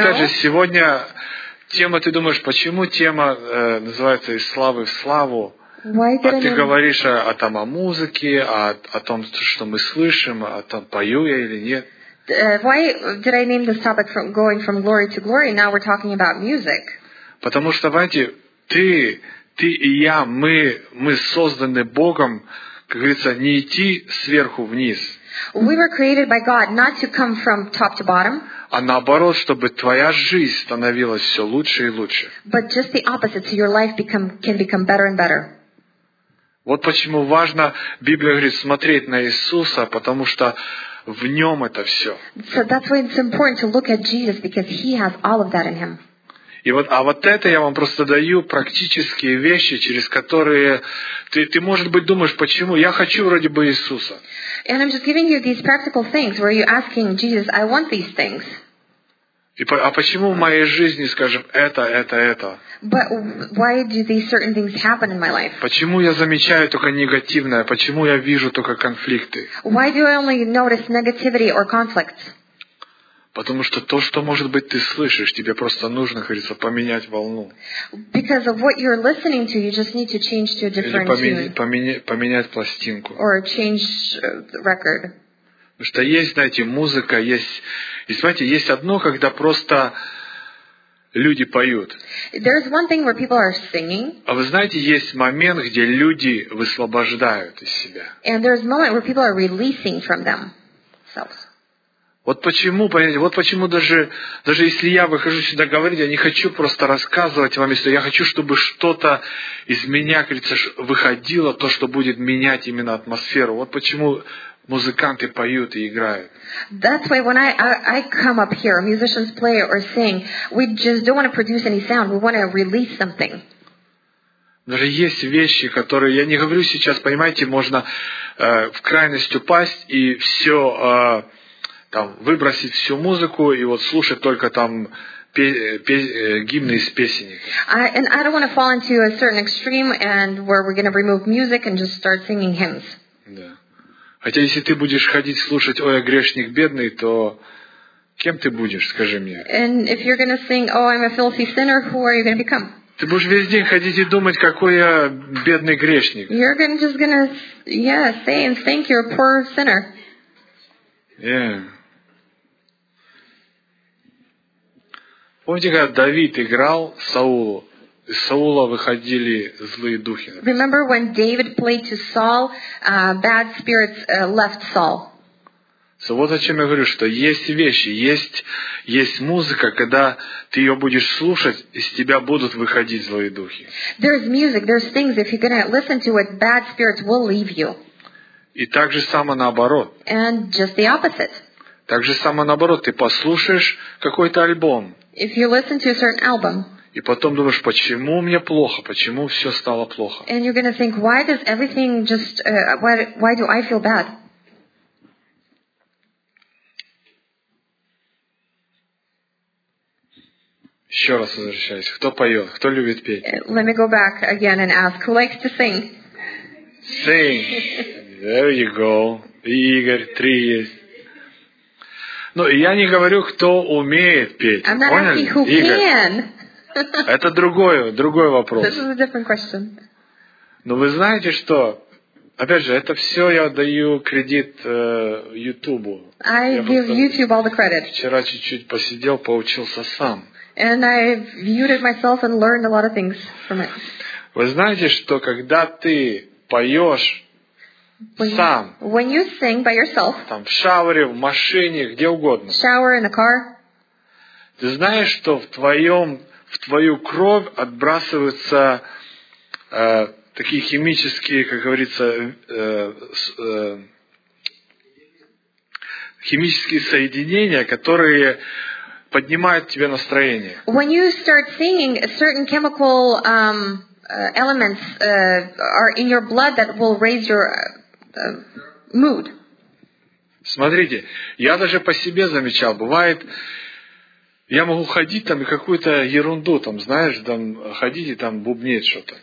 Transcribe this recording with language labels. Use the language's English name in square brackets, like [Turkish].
[Russian] Опять же, сегодня тема, ты думаешь, почему тема называется «Из славы в славу»? А ты говоришь о музыке, о том, что мы слышим, о том, пою я или нет. [English] Why did I name this topic from going from glory to glory? Now we're talking about music. [Russian] Потому что, знаете, ты и я, мы созданы Богом, как говорится, не идти сверху вниз. [English] We were created by God not to come from top to bottom. [Russian] А наоборот, чтобы твоя жизнь становилась все лучше и лучше. [English] But just the opposite, so your life can become better and better. [Russian] Вот почему важно, Библия говорит, смотреть на Иисуса, потому что в Нем это все. [English] So that's why it's important to look at Jesus, because He has all of that in Him. [Russian] И вот, а вот это я вам просто даю практические вещи, через которые ты может быть, думаешь, почему? Я хочу вроде бы Иисуса. [English] And I'm just giving you these practical things, where you're asking Jesus, I want these things. [Russian] А почему в моей жизни, скажем, это? [English] But why do these certain things happen in my life? [Russian] Почему я замечаю только негативное? Почему я вижу только конфликты? [English] Why do I only notice negativity or conflicts? [Russian] Потому что то, что, может быть, ты слышишь, тебе просто нужно, как говорится, поменять волну. [English] Because of what you're listening to, you just need to change to a different tune. [Russian] Поменять пластинку. [English] Or change record. [Russian] Потому что есть, знаете, музыка, есть... И смотрите, есть одно, когда просто люди поют. [English] There's one thing where people are singing. [Russian] А вы знаете, есть момент, где люди высвобождают из себя. [English] And there's a moment where people are releasing from themselves. [Russian] Вот почему, понимаете, вот почему даже если я выхожу сюда говорить, я не хочу просто рассказывать вам, если я хочу, чтобы что-то из меня, кажется, выходило, то, что будет менять именно атмосферу. Вот почему музыканты поют и играют. [English] That's why when I come up here, musicians play or sing, we just don't want to produce any sound, we want to release something. [Russian] Даже есть вещи, которые, я не говорю сейчас, понимаете, можно в крайность упасть и все... Там, выбросить всю музыку и вот слушать только там гимны из песенек. [English] And I don't want to fall into a certain extreme and where we're going to remove music and just start singing hymns. [Russian] Да. Хотя если ты будешь ходить слушать «Ой, я грешник бедный», то кем ты будешь, скажи мне? [English] And if you're going to sing «Oh, I'm a filthy sinner», who are you going to become? [Russian] Ты будешь весь день ходить и думать, какой я бедный грешник. [English] You're gonna, just going to yeah, say and think you're a poor sinner. Yeah. [Russian] Помните, когда Давид играл Саулу, из Саула выходили злые духи. [English] Remember when David played to Saul, bad spirits left Saul. [Russian] So вот о чем я говорю, что есть вещи, есть музыка, когда ты ее будешь слушать, из тебя будут выходить злые духи. [English] There's music, there's things, if you're going to listen to it, bad spirits will leave you. [Russian] И так же само наоборот. [English] And just the opposite. [Russian] Так же само наоборот. Ты послушаешь какой-то альбом. [English] If you listen to a certain album. [Russian] И потом думаешь, почему мне плохо, почему все стало плохо. [English] And you're going to think, why does everything just, why do I feel bad? [Russian] Еще раз возвращаюсь. Кто поет? Кто любит петь? [English] Let me go back again and ask, who likes to sing? Sing. There you go. Игорь, [Russian] три есть. Ну, я не говорю, кто умеет петь. [English] I'm not [Russian] поняли? [English] Asking who [Russian] Игорь. [English] Can. [Russian] Это другой вопрос. [English] This is a different question. [Russian] Но вы знаете что? Опять же, это все я даю кредит Ютубу. [English] I give YouTube all the credit. [Russian] Вчера чуть-чуть посидел, поучился сам. [English] And I viewed it myself and learned a lot of things from it. [Russian] Вы знаете, что когда ты поешь сам, [English] when you sing by yourself, [Russian] там, в шауре, в машине, где угодно, [English] shower, in the car, [Russian] ты знаешь, что в твою кровь отбрасываются такие химические, как говорится, химические соединения, которые поднимает тебе настроение. [English] When you start singing, certain chemical elements are in your blood that will raise your mood. [Russian] Смотрите, я даже по себе замечал, бывает, я могу ходить там и какую-то ерунду там, знаешь, там ходить и там бубнеть что-то.